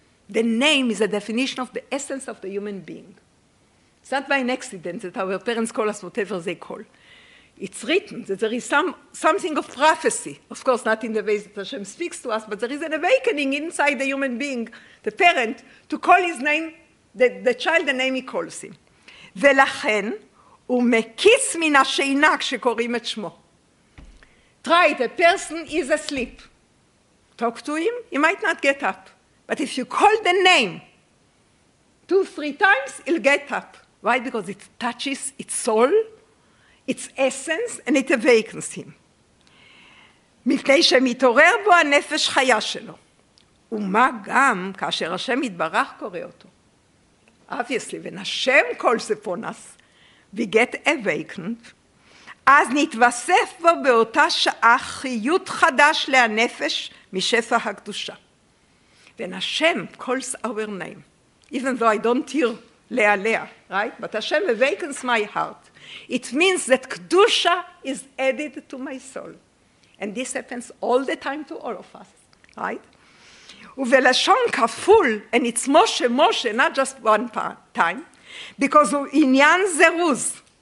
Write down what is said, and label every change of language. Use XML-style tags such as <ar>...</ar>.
<en>The name is a definition of the essence of the human being. It's not by an accident that our parents call us whatever they call. It's written that there is something of prophecy. Of course, not in the way that Hashem speaks to us, but there is an awakening inside the human being, the parent, to call his name, the child, the name he calls him.</en> <he>ולכן הוא מקיץ מן השינה כשקוראים את שמו.</he> <en>Try it, a person is asleep. Talk to him, he might not get up. But if you call the name 2-3 times, he'll get up. Why? Because it touches its soul, its essence, and it awakens him.</en> <he>מפני שמתעורר בו הנפש חיה שלו. ומה גם כאשר השם יתברך קורא אותו.</he> <en>Obviously, when Hashem calls upon us, we get awakened.</en> <he>אז נתווסף בו באותה שעה חיות חדש להנפש משפע הקדושה.</he> <en>When Hashem calls our name, even though I don't hear</en> <he>להעליה,</he> <en>right? But Hashem awakens my heart. It means that קדושה is added to my soul. And this happens all the time to all of us, right?</en> <he>ובלשון כפול,</he> <en>and it's משה, משה, not just one time, because</en> <he>הוא עניין זרוז.</he>